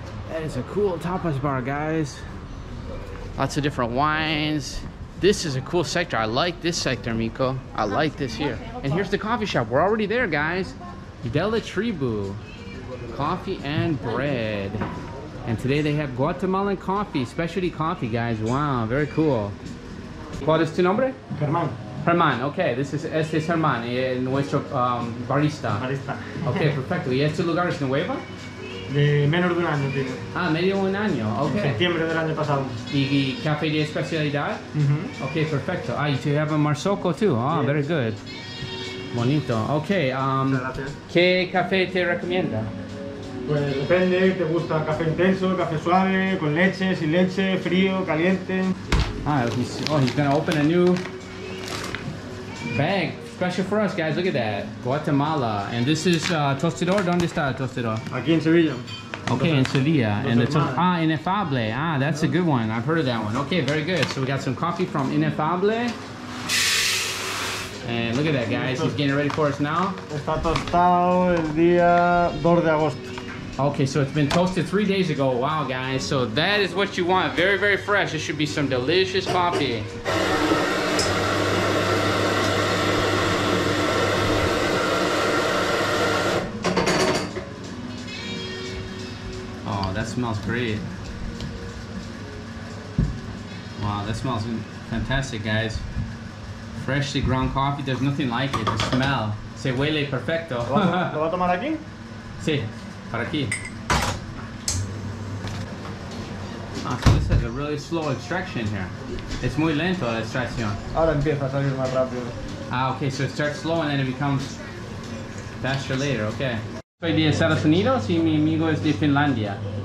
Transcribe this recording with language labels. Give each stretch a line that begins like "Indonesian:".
English: That is a cool tapas bar, guys. Lots of different wines. This is a cool sector. I like this sector, Miko. I like this here. And here's the coffee shop. We're already there, guys. Delatribu. Coffee and bread. And today they have Guatemalan coffee, specialty coffee, guys. Wow, very cool.
Spanish: ¿Cuál es tu nombre? Germán. Germán, okay. Este es Germán, nuestro barista. Barista. Okay, perfecto. ¿Y este lugar es nuevo? De menos de un año, tiene. Ah, medio de un año, okay. En septiembre del año pasado. ¿Y café de especialidad? Mm-hmm. Okay, perfecto.
English: Ah, y tú have a marsoco too. Oh, yes. Very good. Bonito.
Spanish: Okay, ¿qué café te recomienda? Pues depende, te gusta café intenso, café suave, con leche, sin leche, frío, caliente.
English: Ah, he's gonna open a new bag. Special for us, guys, look at that. Guatemala. And this is Tostador,
Spanish: ¿dónde está Tostador? Aquí en Sevilla.
English: Okay, in Sevilla. Ineffable. Ah, that's a good one. I've heard of that one. Okay, very good. So we got some coffee from Ineffable. And look at that, guys. He's getting ready for us now.
Spanish: Está tostado el día 2 de agosto.
English: Okay, so it's been toasted 3 days ago. Wow, guys. So that is what you want. Very, very fresh. It should be some delicious coffee. Oh, that smells great. Wow, that smells fantastic, guys. Freshly ground coffee. There's nothing like it. The smell.
Spanish: Se huele perfecto. ¿Lo va a tomar aquí? Sí. Para aquí.
English: Ah, so this has a really slow extraction here.
Spanish: It's muy lento la extracción. Ahora empieza a salir más rápido.
English: Ah, okay, so it starts slow and then it becomes faster later, okay.
Spanish: Soy de Estados Unidos y mi amigo es de Finlandia.